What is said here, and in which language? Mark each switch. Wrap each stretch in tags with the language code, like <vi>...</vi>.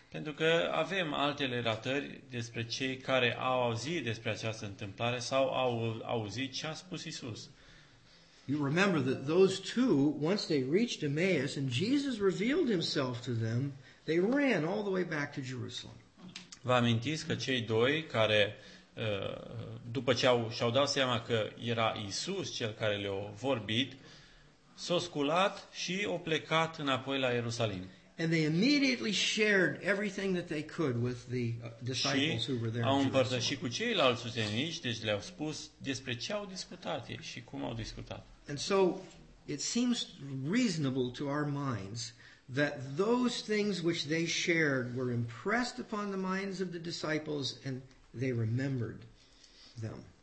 <ro>Pentru că avem altele relatări despre cei care au auzit despre această întâmplare sau au auzit ce a spus Isus.</ro> <en>You remember that those two, once they reached Emmaus and Jesus revealed himself to them, they ran all the way back to Jerusalem.</en> <ro>Vă amintiți că cei doi care după ce și-au dat seama că era Isus cel care le-a vorbit, s-a sculat și a plecat înapoi la Ierusalim.</ro> <en>And they immediately shared everything that they could with the disciples who were there.</en> <ro>Au împărtășit cu ceilalți ucenici, deci le-au spus despre ce au discutat ei și cum au discutat.</ro> <en>And so it seems reasonable to our minds that those things which they shared were impressed upon the minds of the disciples and they remembered them.</en>